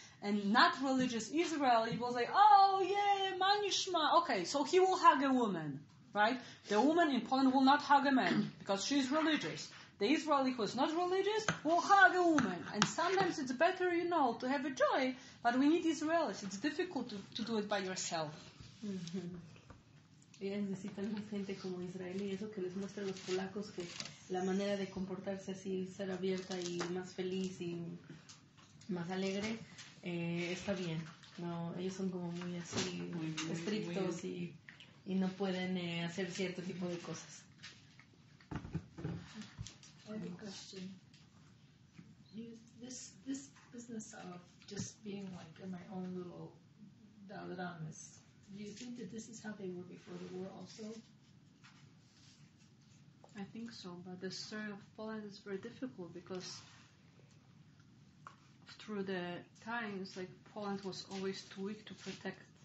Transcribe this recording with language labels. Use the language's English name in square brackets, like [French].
[English] And not religious Israeli will say, oh, yeah, manishma. Okay, so he will hug a woman. Right? The woman in Poland will not hug a man because she's religious. The Israeli who is not religious will hug a woman. And sometimes it's better, you know, to have a joy, but we need Israelis. It's difficult to do it by yourself. [Spanish] Ellas necesitan más gente como Israel y eso que les muestra a los polacos que la manera de comportarse así, ser abierta y más feliz y más alegre, está bien. No, ellos son como muy así, estrictos y... y no pueden hacer cierto tipo de cosas. [English] I have a question. This business of just being like in my own little Dalaranas, do you think that this is how they were before the war also? I think so, but the story of Poland is very difficult because through the times, like, Poland was always too weak to protect.